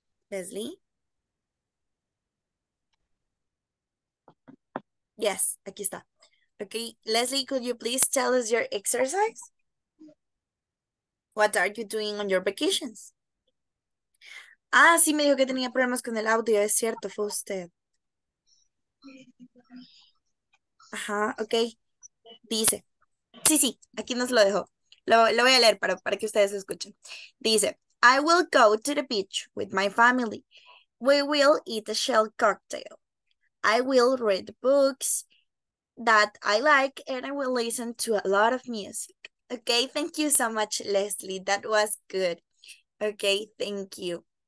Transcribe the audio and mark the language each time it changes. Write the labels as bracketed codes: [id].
[en] Leslie? Yes, [es] aquí está. [en] Okay, Leslie, could you please tell us your exercise? What are you doing on your vacations? [es] Ah, sí, me dijo que tenía problemas con el audio, es cierto, fue usted. Ajá, ok. Dice, sí, sí, aquí nos lo dejó. Lo voy a leer para que ustedes escuchen. [en] Dice, I will go to the beach with my family. We will eat a shell cocktail. I will read the books that I like and I will listen to a lot of music. Ok, thank you so much, Leslie. That was good. Ok, thank you.